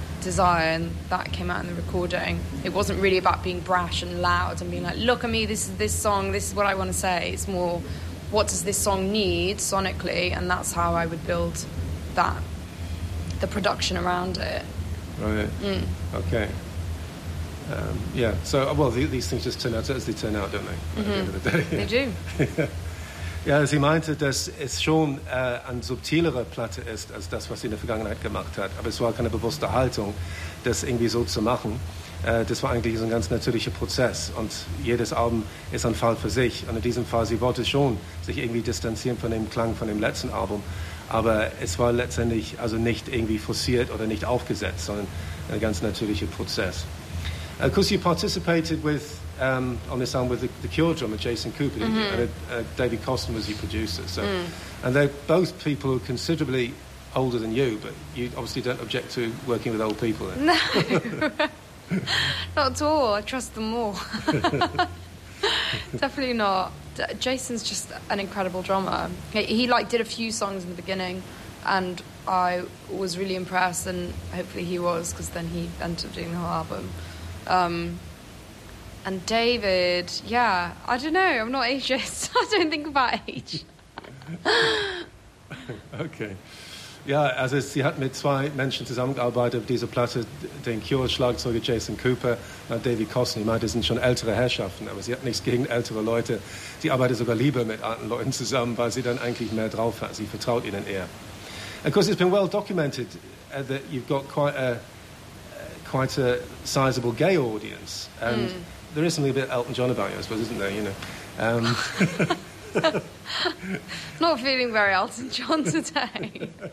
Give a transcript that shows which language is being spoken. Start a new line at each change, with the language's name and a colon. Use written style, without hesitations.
English: desire, and that came out in the recording. It wasn't really about being brash and loud and being like, look at me, this is this song, this is what I want to say. It's more, what does this song need sonically? And that's how I would build that, the production around it. Okay. These things just turn out as they turn out, don't they? At the end of the day. They do.
German: Ja, sie meinte, dass es schon eine subtilere Platte ist als das, was sie in der Vergangenheit gemacht hat. Aber es war keine bewusste Haltung, das irgendwie so zu machen. Das war eigentlich so ein ganz natürlicher Prozess. Und jedes Album ist ein Fall für sich. Und in diesem Fall, sie wollte schon sich irgendwie distanzieren von dem Klang von dem letzten Album. Aber es war letztendlich also nicht irgendwie forciert oder nicht aufgesetzt, sondern ein ganz natürlicher Prozess.
English: Of course, you participated with on this album with the Cure drummer Jason Cooper, didn't you? And David Coston was your producer. So, and they're both people who are considerably older than you, but you obviously don't object to working with old people. Then. No, not at all. I trust them all. Definitely not. Jason's just an incredible drummer. He did a few songs in the beginning, and I was really impressed. And hopefully he was, because then he ended up doing the whole album. And David, yeah, I don't know, I'm not ageist. I don't think about age. Okay.
German: Ja, also sie hat mit zwei Menschen zusammengearbeitet auf dieser Platte, den Cure-Schlagzeuger Jason Cooper und David Coston. Ich meine, das sind schon ältere Herrschaften, aber sie hat nichts gegen ältere Leute. Sie arbeitet sogar lieber mit alten Leuten zusammen, weil sie dann eigentlich mehr drauf hat. Sie vertraut ihnen eher.
English: Of course, it's been well documented that you've got quite a sizable gay audience, and there is something a bit Elton John about you, I suppose, isn't there? You know, not feeling very Elton John today.